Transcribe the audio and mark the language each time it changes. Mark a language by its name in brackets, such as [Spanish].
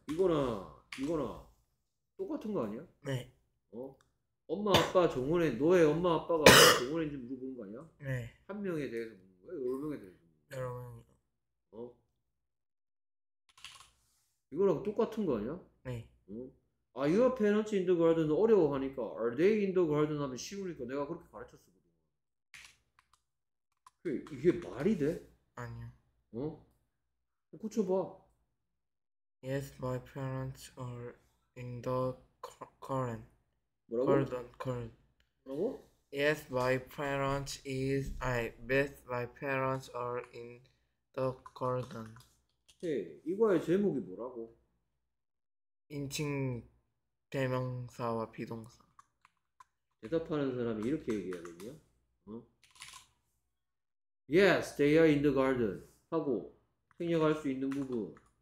[Korean] 이거나 똑같은 거 아니야? 네. 어? 엄마 아빠 정원에 너의 엄마 아빠가 왜 정원인지 물어보는 거 아니야? 네. 한 명에 대해서 묻는 거야? 여러 명에 대해서 여러분. 이거랑 똑같은 거 아니야? 네. [English] 아, your parents in the garden [Korean] 어려워하니까 [English] are they in the garden [Korean] 하면 쉬우니까 내가 그렇게 가르쳤어. 이게 말이 돼? 아니요. 어? 고쳐봐. [English] Yes, my parents are in the garden. [Korean] 뭐라고? 뭐라고? [English] Yes, my parents is I met my parents are in the garden. [Korean] 네, 이거의 제목이 뭐라고? 인칭 대명사와 비동사. 대답하는 사람이 이렇게 얘기해야 되냐? 어? [English] Yes, they are in the garden. [Korean] 하고 생략할 수 있는 부분.